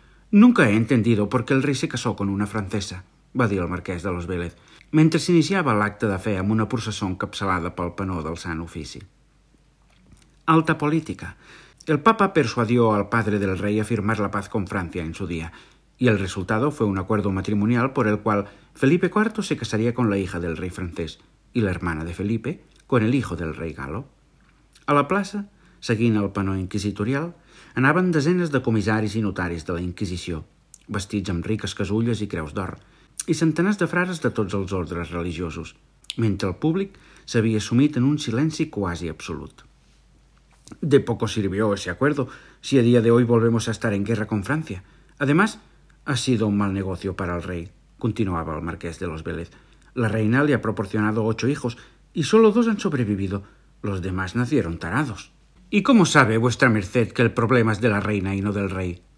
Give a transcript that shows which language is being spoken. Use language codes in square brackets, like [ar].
[es] Nunca he entendido por qué el rey se casó con una francesa, [ca] va dir el marquès de los Vélez, mentre s'iniciava l'acte de fe amb una processó encapçalada pel penó del Sant Ofici. [es] Alta política. El papa persuadió al padre del rey a firmar la paz con Francia en su día, y el resultado fue un acuerdo matrimonial por el cual Felipe IV se casaría con la hija del rey francés y la hermana de Felipe con el hijo del rey galo. [ca] A la plaça, seguint el penó inquisitorial, anaven desenes de comissaris i notaris de la Inquisició, vestits amb riques casulles i creus d'or, i centenars de frares de tots els ordres religiosos, mentre el públic s'havia sumit en un silenci quasi absolut. [es] De poco sirvió ese acuerdo si a día de hoy volvemos a estar en guerra con Francia. Además, ha sido un mal negocio para el rey, continuaba el marqués de los Vélez. La reina le ha proporcionado 8 hijos y solo 2 han sobrevivido. Los demás nacieron tarados. ¿Y cómo sabe vuestra merced que el problema es de la reina y no del rey?